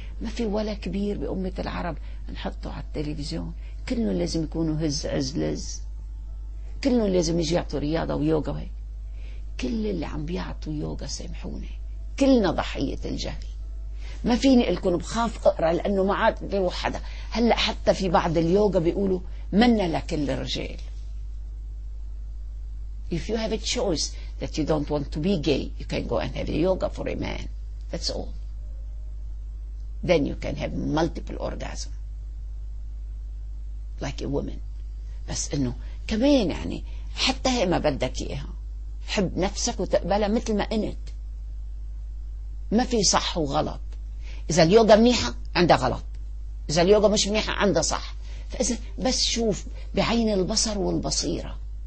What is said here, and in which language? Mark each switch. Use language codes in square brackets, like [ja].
[ar] ما في ولا كبير بامه العرب نحطه على التلفزيون، كلهم لازم يكونوا هز عزلز، كلهم لازم يجي يعطوا رياضه ويوغا. وهيك كل اللي عم بيعطوا يوغا سامحوني، كلنا ضحيه الجهل. ما فيني اقول لكم بخاف اقرا لانه ما عاد بيروح حدا. هلا حتى في بعض اليوغا بيقولوا منا لكل الرجال. [en] If you have a choice that you don't want to be gay, you can go and have a yoga for a man. That's all. Then you can have multiple orgasm like a woman. [ar] بس إنه كمان يعني حتى هي ما بدك إياها. حب نفسك وتقبلها مثل ما أنت. ما في صح وغلط. إذا اليوغا منيحة عندها غلط، إذا اليوغا مش منيحة عندها صح. فإذا بس شوف بعين البصر والبصيرة.